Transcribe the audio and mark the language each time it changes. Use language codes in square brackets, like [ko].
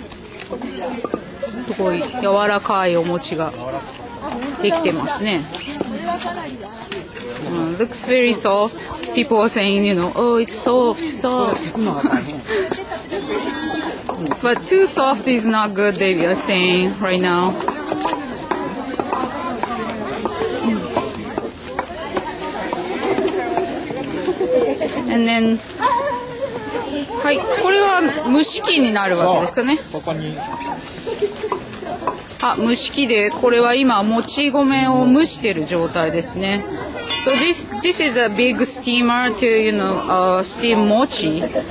[ja] すごい柔らかいお餅ができてますね。 [en] Looks very soft. People are saying, you know, oh, it's soft, soft. But too soft is not good, they are saying right now. And then, [ja] はい、これは蒸し器になるわけですかね。ここに。あ、蒸し器で、これは今、もち米を蒸している状態ですね。 [en] So this is a big steamer to, you know, steam mochi.